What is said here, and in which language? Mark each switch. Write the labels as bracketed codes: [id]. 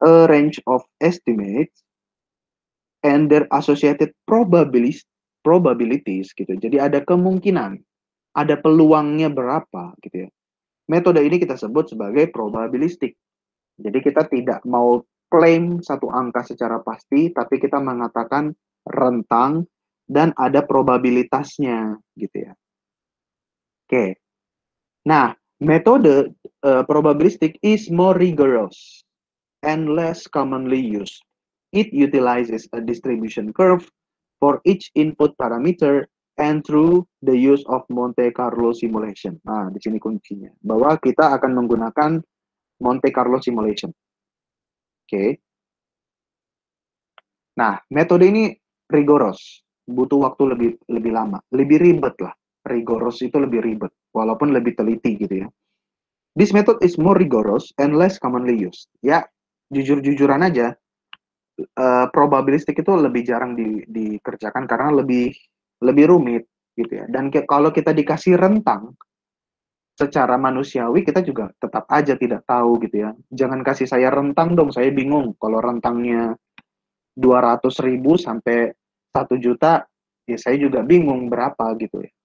[en] A range of estimates and their associated probabilities, gitu. [id] Jadi ada kemungkinan, ada peluangnya berapa, gitu ya. Metode ini kita sebut sebagai probabilistik. Jadi kita tidak mau klaim satu angka secara pasti, tapi kita mengatakan rentang dan ada probabilitasnya, gitu ya. Oke. Nah, metode probabilistik [en] is more rigorous and less commonly used. It utilizes a distribution curve for each input parameter and through the use of Monte Carlo simulation. [id] Nah, di sini kuncinya. Bahwa kita akan menggunakan Monte Carlo simulation. Oke. Okay. Nah, metode ini rigoros. Butuh waktu lebih lebih lama. Lebih ribet lah. Rigoros itu lebih ribet. Walaupun lebih teliti gitu ya. [en] This method is more rigorous and less commonly used. [id] Ya, jujur-jujuran aja. Probabilistik itu lebih jarang dikerjakan karena lebih lebih rumit gitu ya. Dan kalau kita dikasih rentang secara manusiawi kita juga tetap aja tidak tahu gitu ya. Jangan kasih saya rentang dong, saya bingung. Kalau rentangnya 200.000 sampai 1 juta, ya saya juga bingung berapa gitu ya.